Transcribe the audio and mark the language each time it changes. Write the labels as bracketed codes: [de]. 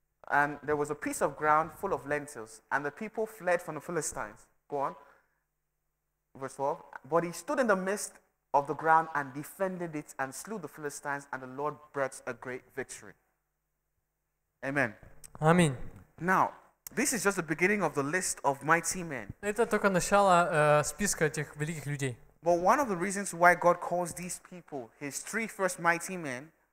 [en] And there was a piece of ground full of lentils. And the people fled from the Philistines. Go on. Verse 12. But he stood in the midst of the ground and defended it and slew the Philistines. And the Lord brought a great victory. Amen. [ru] Аминь. [en] Now, this is just the beginning of the list of mighty men. [ru] Это только начало списка этих великих людей. [en] But one of the reasons why God calls these people His three first mighty men.